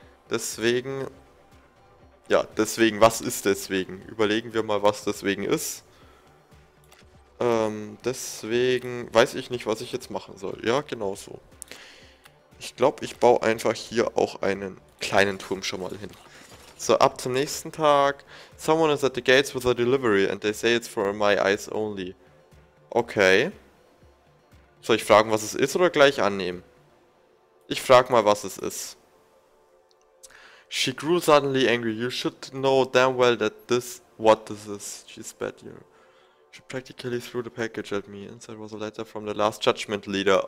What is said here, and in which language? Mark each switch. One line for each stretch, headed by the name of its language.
German: Deswegen, ja, deswegen, was ist deswegen? Überlegen wir mal, was deswegen ist. Deswegen weiß ich nicht, was ich jetzt machen soll. Ja, genau so. Ich glaube, ich baue einfach hier auch einen kleinen Turm schon mal hin. So, ab zum nächsten Tag.
English: Someone is at the gates with a delivery and they say it's for my eyes only.
German: Okay. Soll ich fragen, was es ist oder gleich annehmen? Ich frag mal, was es ist.
English: She grew suddenly angry. You should know damn well that this what this is. She spat here. She practically threw the package at me. Inside was a letter from the Last Judgment Leader.